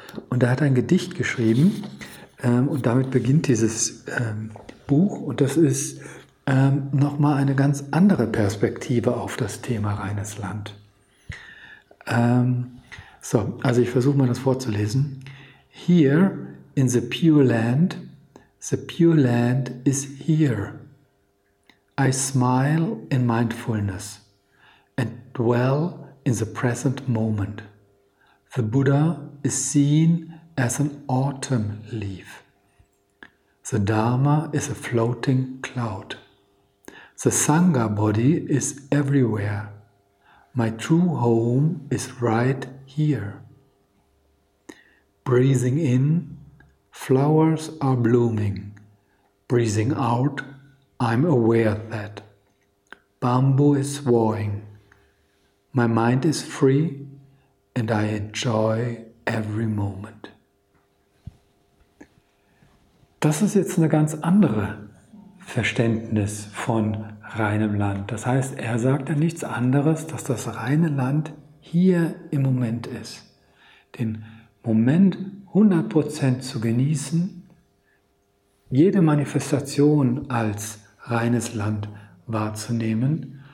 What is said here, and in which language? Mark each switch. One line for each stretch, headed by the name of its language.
German: Und er hat ein Gedicht geschrieben und damit beginnt dieses Buch. Und das ist nochmal eine ganz andere Perspektive auf das Thema reines Land. Also ich versuche mal das vorzulesen.
English: Here in the pure land is here. I smile in mindfulness and dwell in the present moment. The Buddha is seen as an autumn leaf. The Dharma is a floating cloud. The Sangha body is everywhere. My true home is right here. Breathing in, flowers are blooming. Breathing out, I'm aware of that. Bamboo is swaying. My mind is free and I enjoy every moment.
German: Das ist jetzt eine ganz andere Verständnis von reinem Land. Das heißt, er sagt ja nichts anderes, dass das reine Land hier im Moment ist. Den Moment 100% zu genießen, jede Manifestation als reines Land wahrzunehmen.